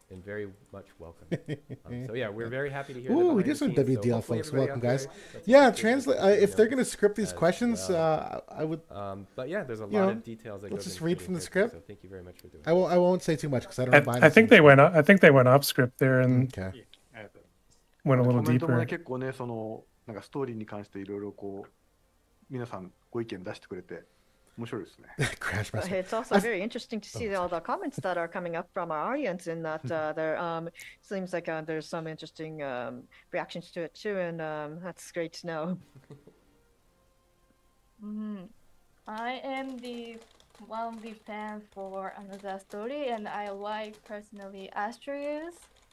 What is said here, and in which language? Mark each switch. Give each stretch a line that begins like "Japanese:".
English: And very much welcome. we're very happy to hear. Ooh, we did some WDL, folks. Welcome, guys. Yeah, translate. If they're going to script these questions, I would. There's a lot of details. Let's just read from the script. So thank you very much for doing. I won't say too much because I don't mind. I think they went off script there and. Okay. Went a little deeper.
Japanese: コメントもね、結構ね、その、なんかストーリーに関していろいろこう、皆さんご意見出してくれて、面白いですね。
English: Crash Master. It's also very interesting to see all the comments that are coming up from our audience in that seems like there's some interesting reactions to it too, and that's great to know. I am the one of the fans for Another Story, and I like personally Asterius.